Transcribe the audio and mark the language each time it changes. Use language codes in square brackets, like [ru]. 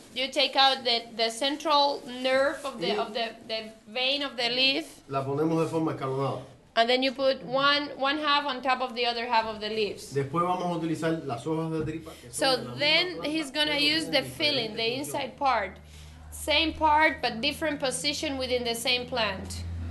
[en] You take out the central nerve of the vein of the leaf. [es] La ponemos de forma escalonada. [en] And then you put one half on top of the other half of the leaves. [es] Después vamos a utilizar las hojas de tripa. [en] So then he's going to use the filling, the inside part. Same part, but different position within the same plant.